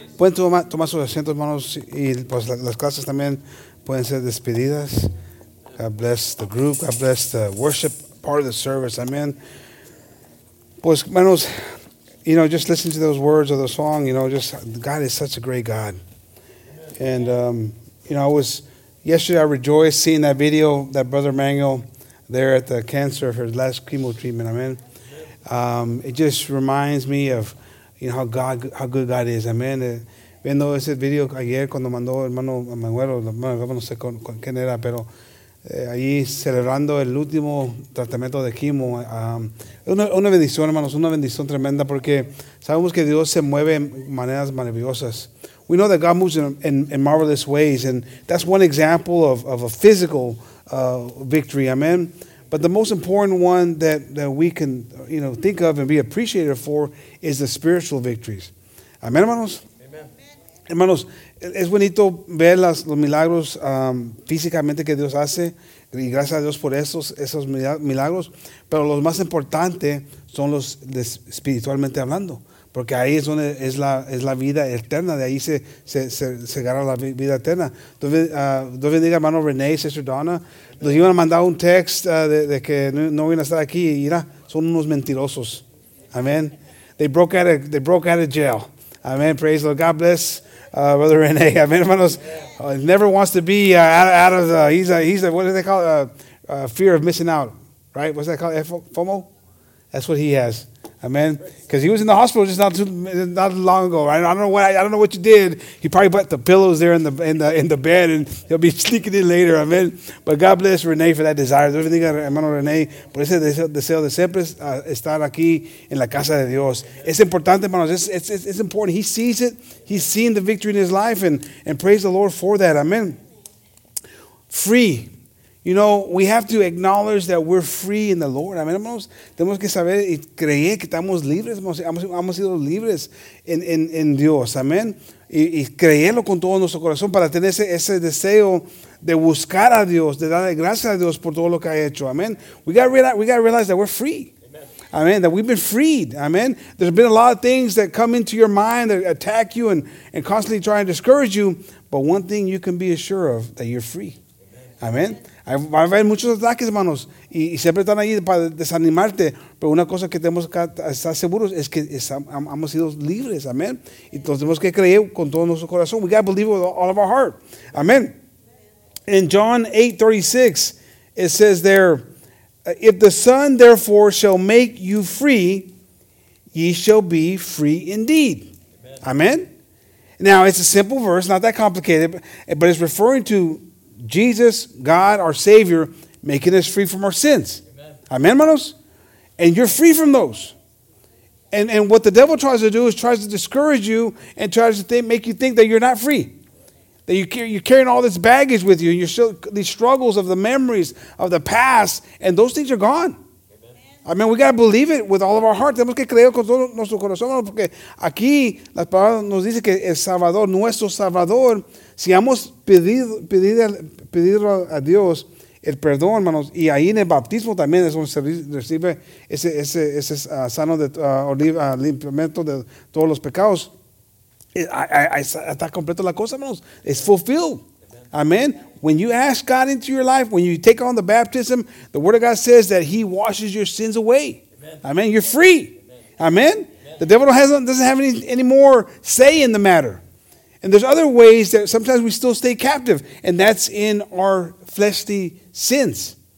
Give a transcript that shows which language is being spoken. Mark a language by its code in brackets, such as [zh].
[es] Pueden tomar sus asientos, hermanos, y pues las clases también pueden ser despedidas. [en] God bless the group. God bless the worship part of the service. Amén. [es] Pues, hermanos, [en] you know, just listen to those words of the song. You know, just God is such a great God. And, you know, yesterday I rejoiced seeing that video, that Brother Manuel there at the cancer for his last chemo treatment. Amén. It just reminds me of, you know, how good God is. Amen. [es] Viendo ese video ayer cuando mandó hermano Manuel, no sé quién era, pero allí celebrando el último tratamiento de quimo. Una bendición, hermanos, una bendición tremenda porque sabemos que Dios se mueve en maneras maravillosas. [en] We know that God moves in marvelous ways, and that's one example of a physical victory. Amen. But the most important one that we can, you know, think of and be appreciated for is the spiritual victories. [es] Amen, hermanos. Amen. Hermanos, es bonito ver los milagros físicamente que Dios hace, y gracias a Dios por esos milagros. Pero los más importantes son los de espiritualmente hablando, porque ahí es donde es la vida eterna. De ahí se gana la vida eterna. Dios bendiga, hermano René, Sister Donna. Nos iban a mandar un text de que no iban a estar aquí. Mira, son unos mentirosos. [en] Amen. They broke out of jail. Amen. Praise the Lord. God bless Brother Rene. Amen, hermanos. Never wants to be out of the... He's a, what do they call it? Fear of missing out. Right? What's that called? FOMO? That's what he has. Amen. Because he was in the hospital just not long ago. Right? I don't know what you did. He probably put the pillows there in the bed, and he'll be sneaking in later. Amen. But God bless Rene for that desire. [es] Everything, hermano Rene, por ese deseo de siempre estar aquí en la casa de Dios. Es importante, hermanos. [en] It's important. He sees it. He's seen the victory in his life, and praise the Lord for that. Amen. Free. You know, we have to acknowledge that we're free in the Lord. [es] Amen, hermanos. Tenemos que saber y creer que estamos libres. Hemos sido libres en Dios. Amen. Y creerlo con todo nuestro corazón para tener ese deseo de buscar a Dios, de darle gracias a Dios por todo lo que ha hecho. [en] Amen. We got to realize that we're free. Amen. That we've been freed. Amen. There's been a lot of things that come into your mind that attack you and constantly try and discourage you. But one thing you can be assured of, that you're free. Amen. [es] Va a haber muchos ataques, hermanos, y siempre están ahí para desanimarte. Pero una cosa que tenemos que estar seguros es que hemos sido libres, amén. Entonces tenemos que creer con todo nuestro corazón. [en] We got to believe with all of our heart. Amén. In John 8:36, it says there, "If the Son therefore shall make you free, ye shall be free indeed." Amén. Now, it's a simple verse, not that complicated, but it's referring to Jesus, God, our Savior, making us free from our sins. Amen, amen, hermanos? And you're free from those. And what the devil tries to do is tries to discourage you and tries to make you think that you're not free. That you're carrying all this baggage with you. You're still, these struggles of the memories of the past, and those things are gone. Amen. I mean, we got to believe it with all of our heart. [es] Tenemos que creer con todo nuestro corazón, porque aquí la palabra nos dice que el Salvador, nuestro Salvador, si hemos pedido a Dios el perdón, hermanos, y ahí en el bautismo también es donde se recibe ese sano de limpiamiento de todos los pecados. Está completo la cosa, hermanos. [en] It's fulfilled. [es] Amen. [en] When you ask God into your life, when you take on the baptism, the Word of God says that He washes your sins away. Amen. You're free. Amen. Amen. The devil doesn't have any more say in the matter. And there's other ways that sometimes we still stay captive, and that's in our fleshly sins.